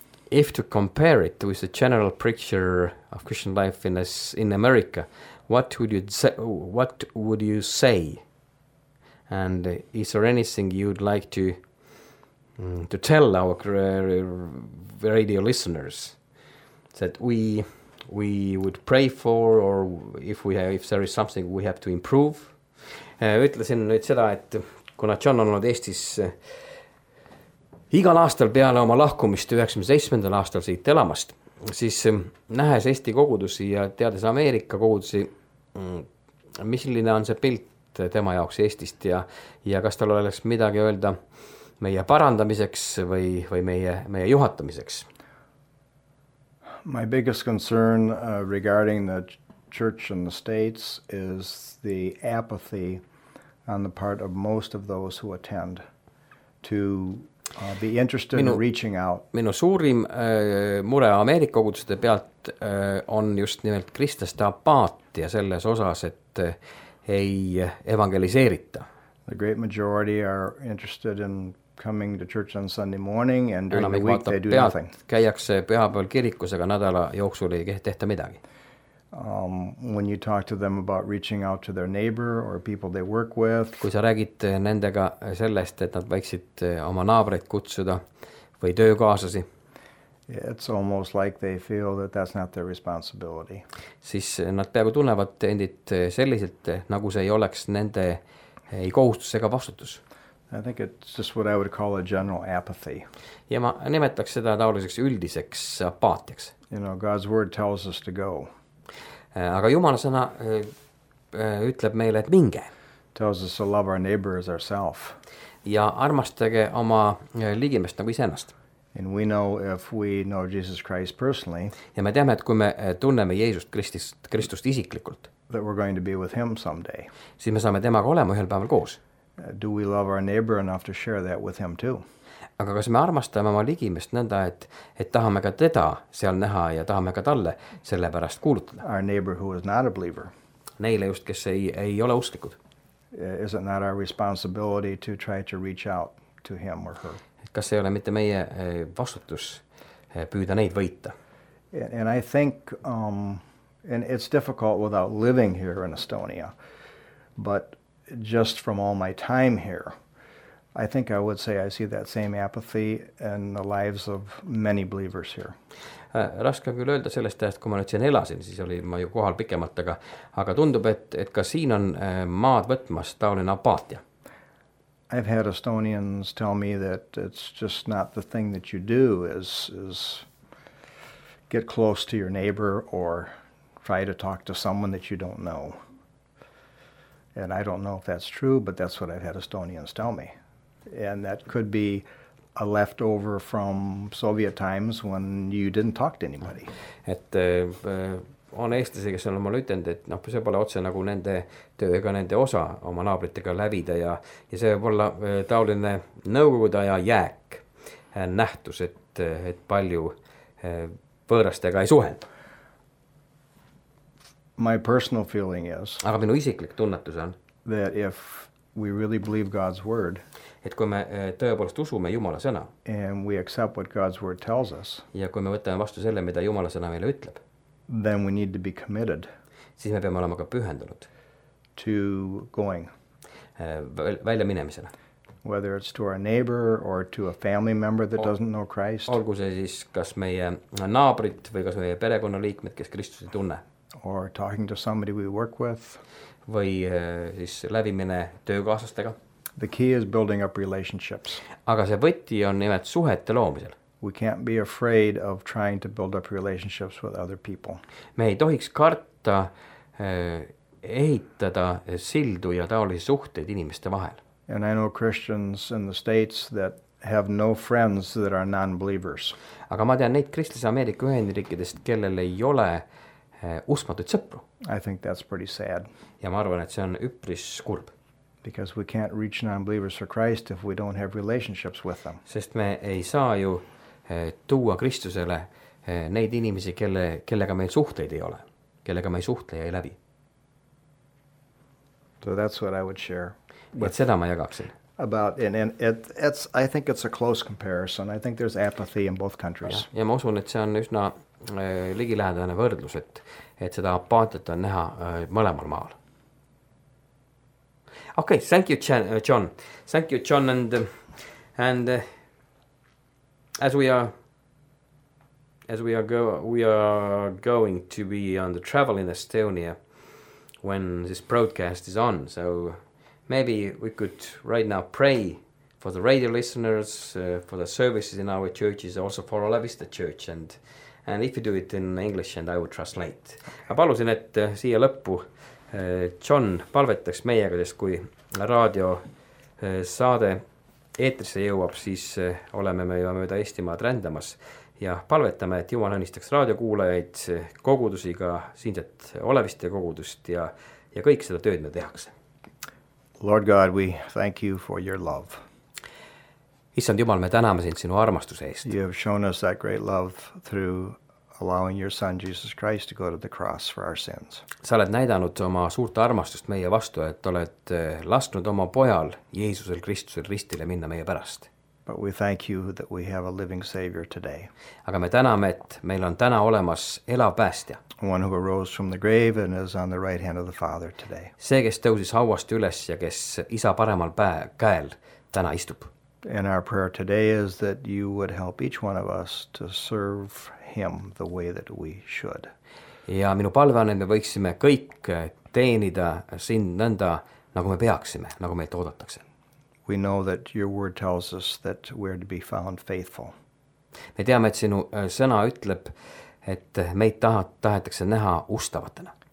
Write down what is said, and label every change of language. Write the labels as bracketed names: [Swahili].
[English] If to compare it with the general picture of Christian life in America, what would you say? And is there anything you'd like to tell our radio listeners that we would pray for or if there is something we have to improve. [Estonian] Ütlesin nüüd seda, et kuna John on olnud Eestis igal aastal peale oma lahkumist 97. aastal siit elamast, siis nähes Eesti kogudusi ja teades Ameerika kogudusi, misline on see pilt tema jaoks Eestist ja kas tal oleks midagi öelda meie parandamiseks või meie juhatamiseks. [English] My biggest concern regarding the church in the States is the apathy on the part of most of those who attend to be interested in reaching out. [Estonian] Minu suurim mure Ameerika koguduste pealt on just nimelt kristlaste apaatia selles osas, et ei evangeliseerita. [English] The great majority are interested in coming to church on Sunday morning and during the week they do nothing. [Estonian] Käiakse pühapäeval kirikus, aga nädala jooksul ei tehta midagi. [English] When you talk to them about reaching out to their neighbor or people they work with. [Estonian] Kui sa räägid nendega sellest, et nad võiksid oma naabreid kutsuda või töökaaslasi. [English] It's almost like they feel that that's not their responsibility. [Estonian] Siis nad peaaegu tunnevad endid selliselt, nagu see ei oleks nende ei kohustus ega vastutus. [English] I think it's just what I would call a general apathy. [Estonian] Ja ma nimetaks seda tauliseks üldiseks apaatiaks. [English] You know, God's word tells us to go. [Estonian] Aga Jumala sõna ütleb meile, et minge. [English] Tells us to love our neighbor as ourself. [Estonian] Ja armastage oma ligimest nagu iseennast. [English] And we know if we know Jesus Christ personally. [Estonian] Ja me teame, et kui me tunneme Jeesust Kristust isiklikult. [English] That we're going to be with him someday. [Estonian] Siis me saame temaga olema ühel päeval koos. [English] Do we love our neighbor enough to share that with him too? [Estonian] Aga kas me armastame oma ligimest nõnda, et tahame ka teda seal näha ja tahame ka talle selle pärast kuulutada? [English] Our neighbor who is not a believer. [Estonian] Neile just, kes ei ole usklikud. [English] Is it not our responsibility to try to reach out to him or her? [Estonian] Kas see ei ole mitte meie vastutus püüda neid võita? [English] And I think, and it's difficult without living here in Estonia, but just from all my time here, I think I would say I see that same apathy in the lives of many believers here. [Estonian] Raske küll öelda sellest, et kui ma nüüd siin elasin, siis oli ma ju kohal pikemalt, aga tundub, et ka siin on maad võtmas taoline apaatia. [English] I've had Estonians tell me that it's just not the thing that you do is get close to your neighbor or try to talk to someone that you don't know. And I don't know if that's true, but that's what I've had Estonians tell me. And that could be a leftover from Soviet times when you didn't talk to anybody. [Estonian] Et on eestlasi, kes on oma ütlenud, et noh, see pole otse nagu nende tööga nende osa oma naabritega lävida ja see võib olla taoline nõukogude aja jääk nähtus, et palju võõrastega ei suhelda. [English] My personal feeling is, [Estonian] aga minu isiklik tunnetus on, [English] that if we really believe God's word, [Estonian] et kui me tõepoolest usume Jumala sõna, [English] and we accept what God's word tells us, [Estonian] ja kui me võtame vastu selle, mida Jumala sõna meile ütleb, [English] then we need to be committed, [Estonian] siis me peame olema ka pühendunud, [English] to going, [Estonian] välja minemisele, [English] whether it's to our neighbor or to a family member that doesn't know Christ, [Estonian] olgu see siis kas meie naabrit või kas meie perekonna liikmed, kes Kristust ei tunne, [English] or talking to somebody we work with, [Estonian] või siis lävimine töökaaslastega. [English] The key is building up relationships. [Estonian] Aga see võti on nimelt suhete loomisel. [English] We can't be afraid of trying to build up relationships with other people. [Estonian] Me ei tohiks karta ehitada sildu ja taolisi suhteid inimeste vahel. [English] And I know Christians in the States that have no friends that are non-believers. [Estonian] Aga ma tean neid kristlase Ameerika Ühendriikidest, kellel ei ole usmatud sõpru. [English] I think that's pretty sad. [Estonian] Ja ma arvan, et see on üpris kurb. [English] Because we can't reach non-believers for Christ if we don't have relationships with them. [Estonian] Sest me ei saa ju tuua Kristusele neid inimesi, kellega meil suhteid ei ole, kellega meil suhtle ei läbi. [English] So that's what I would share. [Estonian] Et seda ma jagaksin. [English] About and it's I think it's a close comparison. I think there's apathy in both countries. [Estonian] Ja ma usun, et see on üsna ligilähedane võrdlus, et seda apaatiat on näha mõlemal maal. [English] Okay, thank you, John. Thank you, John, and as we are going to be on the travel in Estonia when this broadcast is on, so maybe we could right now pray for the radio listeners, for the services in our churches, also for Olavista Church, and if you do it in English, and I will translate. [Estonian] Ma palusin, et siia lõppu John palvetaks meiega, sest kui raadio saade eetrisse jõuab, siis oleme me juba mööda Eestimaad rändamas ja palvetame, et Jumal õnnistaks raadiokuulajaid, kogudusiga, siinset Olaviste kogudust ja kõik seda tööd me tehakse. [English] Lord God, we thank you for your love. [Estonian] Issand Jumal, me täname sind sinu armastuse eest. [English] You have shown us that great love through allowing your son Jesus Christ to go to the cross for our sins. [Estonian] Sa oled näidanud oma suurt armastust meie vastu, et oled lastnud oma pojal Jeesusel Kristusel ristile minna meie pärast. [English] But we thank you that we have a living Savior today. [Estonian] Aga me täname, et meil on täna olemas elav päästja. [English] One who arose from the grave and is on the right hand of the Father today. [Estonian] See, kes tõusis hauast üles ja kes isa paremal käel täna istub. [English] And our prayer today is that you would help each one of us to serve him the way that we should. [Estonian] Ja minu palve on, et me võiksime kõik teenida sind nõnda, nagu me peaksime, nagu meid oodatakse. [English] We know that your word tells us that we are to be found faithful. [Estonian] Me teame, et sinu sõna ütleb, et meid tahetakse näha ustavatena.